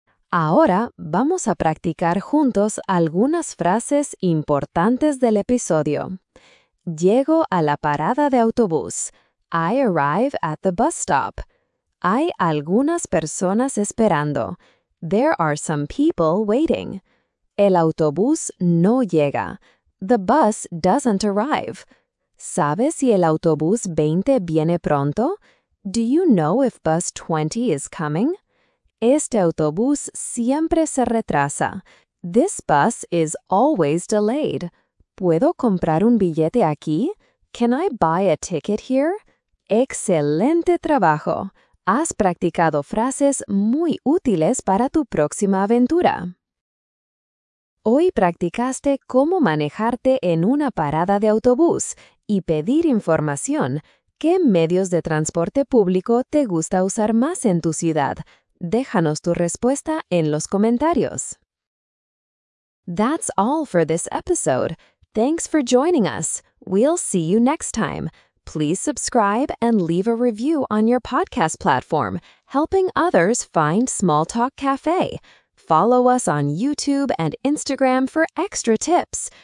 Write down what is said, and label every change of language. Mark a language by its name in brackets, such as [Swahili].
[Spanish] Ahora vamos a practicar juntos algunas frases importantes del episodio. Llego a la parada de autobús. [English] I arrive at the bus stop. [Spanish] Hay algunas personas esperando. [English] There are some people waiting. [Spanish] El autobús no llega. [English] The bus doesn't arrive. [Spanish] ¿Sabe si el autobús 20 viene pronto? [English] Do you know if bus 20 is coming? [Spanish] Este autobús siempre se retrasa. [English] This bus is always delayed. [Spanish] ¿Puedo comprar un billete aquí? [English] Can I buy a ticket here? [Spanish] ¡Excelente trabajo! Has practicado frases muy útiles para tu próxima aventura. Hoy practicaste cómo manejarte en una parada de autobús y pedir información. ¿Qué medios de transporte público te gusta usar más en tu ciudad? Déjanos tu respuesta en los comentarios. [English] That's all for this episode. Thanks for joining us. We'll see you next time. Please subscribe and leave a review on your podcast platform, helping others find Small Talk Cafe. Follow us on YouTube and Instagram for extra tips.